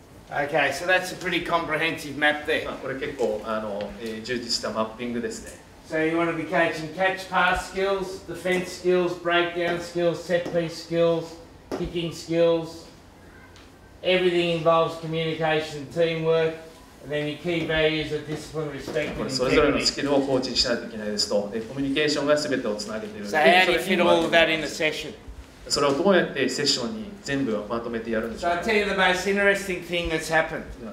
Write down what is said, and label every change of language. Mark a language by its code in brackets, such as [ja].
[en] Okay, so that's a pretty comprehensive map there. [ja] これ結構充実したマッピングですね。 [en] So you want to be coaching catch pass skills, defense skills, breakdown skills, set piece skills, kicking skills. Everything involves communication, teamwork, and then your key values are discipline, respect, and integrity. [ja] それぞれのスキルをコーチしないといけないですと、コミュニケーションがすべてをつなげている。 [en] So how do you fit all of that in a session? [ja] それをどうやってセッションに全部まとめてやるんでしょうか? [en] So I'll tell you the most interesting thing that's happened.